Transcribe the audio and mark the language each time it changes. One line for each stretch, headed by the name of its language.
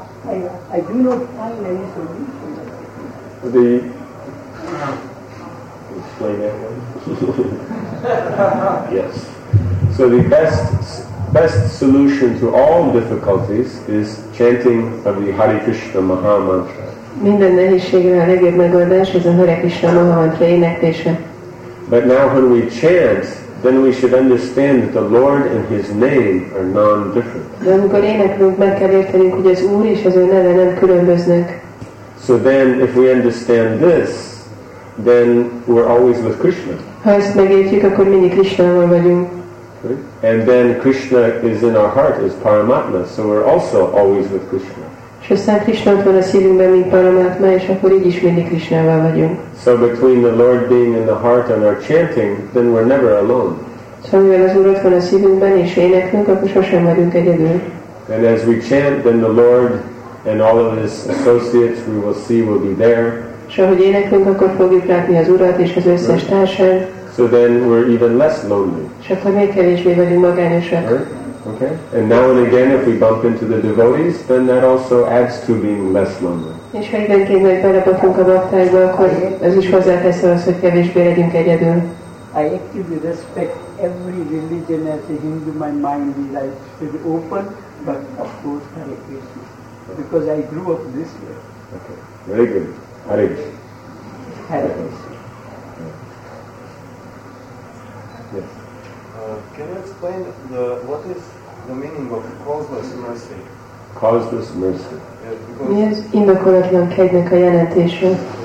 English: I do not find any solution. The explain that one. Yes. So the best solution to all difficulties is chanting of the Hare Krishna Maha Mantra.
Hungarian: Minden nehézségre a legjobb megoldás az a Hare Krishna Maha Mantra éneklése.
English: But now when we chant, then we should understand that the Lord and His name are non-different.
Hungarian: De amikor éneklünk, meg kell értenünk, hogy az Úr és az Ő neve nem különböznek.
English: So then, if we understand this, then we're always with Krishna.
Hungarian: Ha ezt megértjük, akkor mindig Krishnával vagyunk.
English: And then Krishna is in our heart as Paramatma, so we're also always with Krishna.
Hungarian: És aztán Krishna van a szívünkben, mint Paramatma, és akkor így is mindig Krishnával vagyunk.
English: So between the Lord being in the heart and our chanting, then we're never alone.
Hungarian: Szóval mivel az Úr van a szívünkben, és éneklünk, akkor sosem vagyunk egyedül.
English: And as we chant, then the Lord and all of His associates we will see will be there.
Hungarian: És ahogy éneklünk, akkor fogjuk látni az Urat és az összes right. társát.
English: So then we're even less lonely.
Hungarian: És akkor még kevésbé vagyunk magányosak.
English: Right. Okay. And now and again, if we bump into the devotees, then that also adds to being less lonely.
Hungarian: És ha időnként megbelepatunk a baktájba, akkor ez is hozzátesz az, hogy kevésbé legyünk egyedül.
English: I actually respect every religion as a Hindu, my mind is very open, but of course Hare Krishna, because I grew up this way. Okay, very good. Hare Krishna. Hare Krishna. Yes. Can you explain what is the meaning of causeless mercy? Causeless mercy.
Hungarian: Mi az indokolatlan kegynek a jelentése?